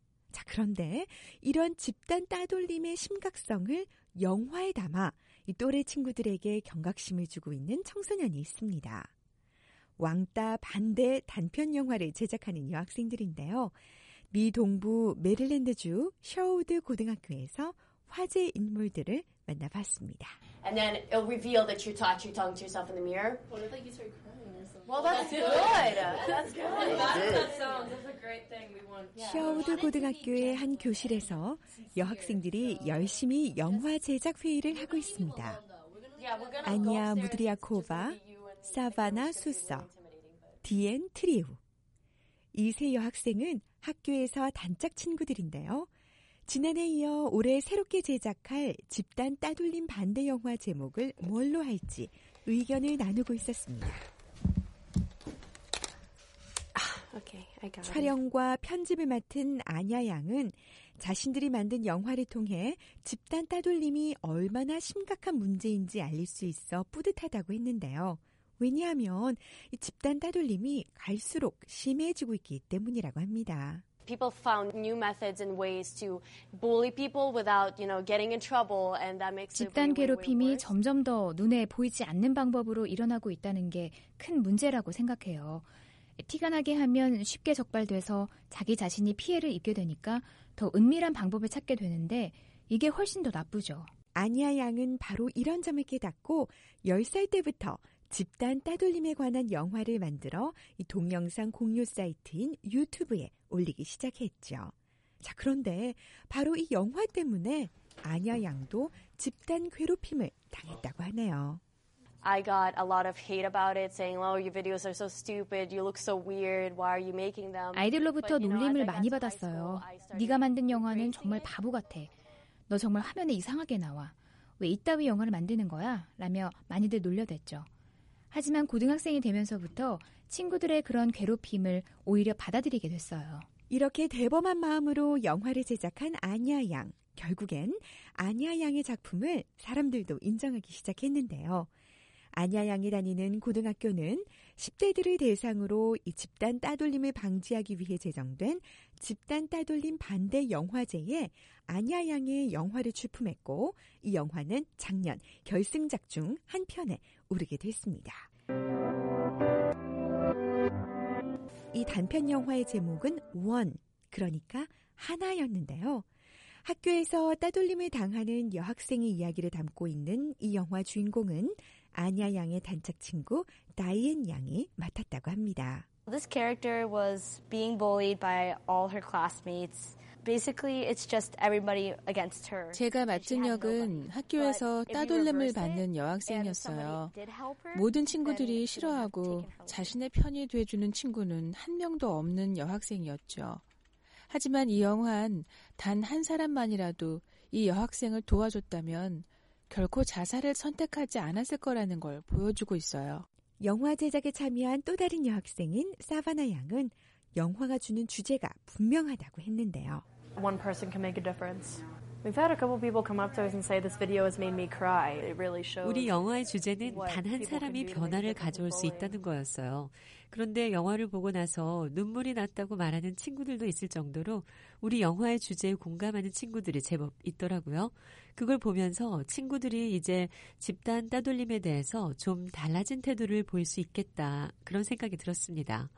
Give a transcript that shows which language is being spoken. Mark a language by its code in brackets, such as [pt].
[ko] 자, 그런데 이런 집단 따돌림의 심각성을 영화에 담아 이 또래 친구들에게 경각심을 주고 있는 청소년이 있습니다. 왕따 반대 단편 영화를 제작하는 여학생들인데요. 미 동부 메릴랜드주 셔우드 고등학교에서 화제 인물들을 만나봤습니다. [en] And then it'll reveal that you taught your tongue to yourself in the mirror. What if you start crying or something? Well, that's good. That's good. That sounds that's a great thing we want. [ko] 셔우드 고등학교의 한 교실에서 여학생들이 열심히 영화 제작 회의를 하고 있습니다. 아니야 무드리아코바, 사바나 수서, 디엔 트리우. 이 세 여학생은 학교에서 단짝 친구들인데요. 지난해에 이어 올해 새롭게 제작할 집단 따돌림 반대 영화 제목을 뭘로 할지 의견을 나누고 있었습니다. 촬영과 편집을 맡은 아냐 양은 자신들이 만든 영화를 통해 집단 따돌림이 얼마나 심각한 문제인지 알릴 수 있어 뿌듯하다고 했는데요. 왜냐하면 이 집단 따돌림이 갈수록 심해지고 있기 때문이라고 합니다. [en] People found new methods and ways to bully people without, you know, getting in trouble, and that makes it. [ko] 집단 괴롭힘이 점점 더 눈에 보이지 않는 방법으로 일어나고 있다는 게 큰 문제라고 생각해요. 티가 나게 하면 쉽게 적발돼서 자기 자신이 피해를 입게 되니까 더 은밀한 방법을 찾게 되는데 이게 훨씬 더 나쁘죠. 아니야 양은 바로 이런 점을 깨닫고 10살 때부터 집단 따돌림에 관한 영화를 만들어 이 동영상 공유 사이트인 유튜브에 올리기 시작했죠. 자, 그런데 바로 이 영화 때문에 아냐 양도 집단 괴롭힘을 당했다고 하네요. [en] I got a lot of hate about it, saying, "Oh, your videos are so stupid. You look so weird. Why are you making them?" [ko] 아이들로부터 놀림을 많이 받았어요. 네가 만든 영화는 정말 바보 같아. 너 정말 화면에 이상하게 나와. 왜 이따위 영화를 만드는 거야? 라며 많이들 놀려댔죠. 하지만 고등학생이 되면서부터 친구들의 그런 괴롭힘을 오히려 받아들이게 됐어요. 이렇게 대범한 마음으로 영화를 제작한 아냐 양. 결국엔 아냐 양의 작품을 사람들도 인정하기 시작했는데요. 아냐 양이 다니는 고등학교는 10대들을 대상으로 이 집단 따돌림을 방지하기 위해 제정된 집단 따돌림 반대 영화제에 아냐 양의 영화를 출품했고 이 영화는 작년 결승작 중 한 편에 오르게 됐습니다. 이 단편 영화의 제목은 원, 그러니까 하나였는데요. 학교에서 따돌림을 당하는 여학생의 이야기를 담고 있는 이 영화 주인공은 아냐 양의 단짝 친구 다이앤 양이 맡았다고 합니다. [en] This character was being bullied by all her classmates. Basically, it's just everybody against her. [ko] 제가 맡은 역은 학교에서 따돌림을 받는 여학생이었어요. 모든 친구들이 싫어하고 자신의 편이 돼주는 친구는 한 명도 없는 여학생이었죠. 하지만 이 영화는 단 한 사람만이라도 이 여학생을 도와줬다면 결코 자살을 선택하지 않았을 거라는 걸 보여주고 있어요. 영화 제작에 참여한 또 다른 여학생인 사바나 양은 영화가 주는 주제가 분명하다고 했는데요. [en] One person can make a difference. We've had a couple people come up to us and say this video has made me cry. It really shows. [ko] 우리 영화의 주제는 단 한 사람이 변화를 가져올 수 있다는 거였어요. 그런데 영화를 보고 나서 눈물이 났다고 말하는 친구들도 있을 정도로 우리 영화의 주제에 공감하는 친구들이 제법 있더라고요. 그걸 보면서 친구들이 이제 집단 따돌림에 대해서 좀 달라진 태도를 보일 수 있겠다 그런 생각이 들었습니다.